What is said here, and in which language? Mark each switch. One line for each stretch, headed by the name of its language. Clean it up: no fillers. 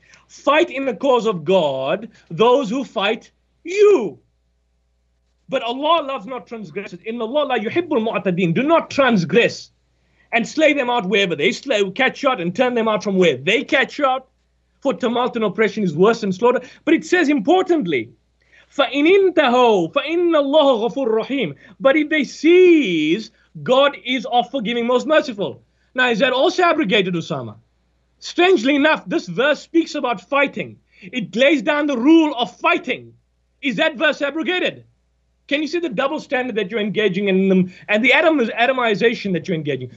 English: Fight in the cause of God those who fight you. But Allah loves not transgressors. In Allah,
Arabic: la yuhibbul mu'tadin.
English: Do not transgress and slay them out wherever they slay, catch out and turn them out from where they catch out. For tumult and oppression is worse than slaughter. But it says importantly,
Arabic: فَإِنْ إِنْتَهُوا فَإِنَّ اللَّهُ غَفُورٌ رَحِيمٌ.
English: But if they cease, God is of forgiving, most merciful. Now, is that also abrogated, Usama? Strangely enough, this verse speaks about fighting. It lays down the rule of fighting. Is that verse abrogated? Can you see the double standard that you're engaging in them and the atomization that you're engaging?